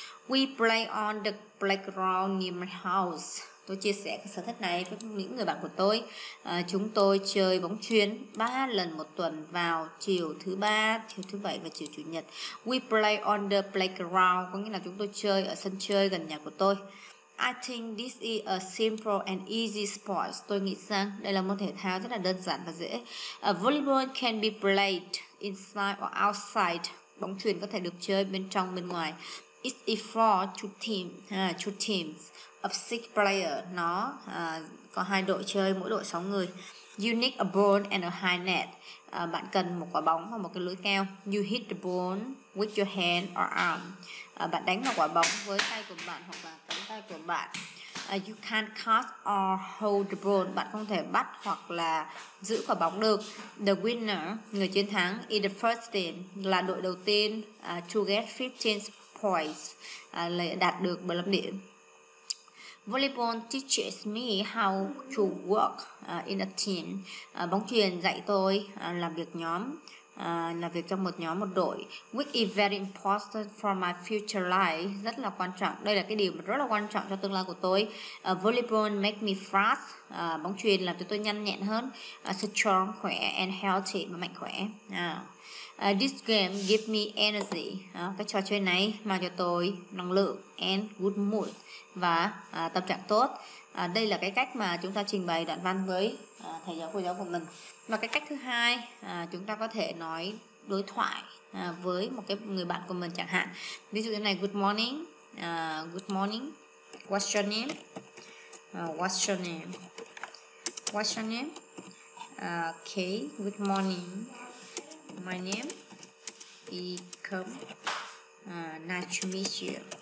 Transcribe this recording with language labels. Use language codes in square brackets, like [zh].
[en] We play on the playground near my house. [vi] Tôi chia sẻ cái sở thích này với những người bạn của tôi. Chúng tôi chơi bóng chuyền 3 lần một tuần vào chiều thứ ba, chiều thứ bảy và chiều chủ nhật. [en] We play on the playground, [vi] có nghĩa là chúng tôi chơi ở sân chơi gần nhà của tôi. [en] I think this is a simple and easy sport. [vi] Tôi nghĩ rằng đây là môn thể thao rất là đơn giản và dễ. [en] Volleyball can be played inside or outside. [vi] Bóng chuyền có thể được chơi bên trong bên ngoài. [en] It is for two teams of 6 players. [vi] Nó có hai đội chơi, mỗi đội 6 người. [en] You need a ball and a high net. [vi] Bạn cần một quả bóng và một cái lưới keo. [en] You hit the ball with your hand or arm. [vi] Bạn đánh vào quả bóng với tay của bạn hoặc là cánh tay của bạn. [en] You can't catch or hold the ball. [vi] Bạn không thể bắt hoặc là giữ quả bóng được. [en] The winner, [vi] người chiến thắng, [en] is the first team, [vi] là đội đầu tiên [en] to get 15 points, [vi] đạt được 15 điểm. [en] Volleyball teaches me how to work in a team. [vi] Bóng chuyền dạy tôi làm việc nhóm, làm việc trong một nhóm, một đội. [en] Which is very important for my future life. [vi] Rất là quan trọng. Đây là cái điều mà rất là quan trọng cho tương lai của tôi. [en] Volleyball make me fast. [vi] Bóng chuyền làm cho tôi nhanh nhẹn hơn, strong, khỏe [en] and healthy, [vi] và mạnh khỏe. [en] This game give me energy. [vi] Cái trò chơi này mang cho tôi năng lượng [en] and good mood, [vi] và tâm trạng tốt. Đây là cái cách mà chúng ta trình bày đoạn văn với thầy giáo, cô giáo của mình. Và cái cách thứ hai, chúng ta có thể nói đối thoại với một cái người bạn của mình chẳng hạn. Ví dụ như này: [en] good morning, what's your name, okay, good morning, my name is Kim, nice to meet you.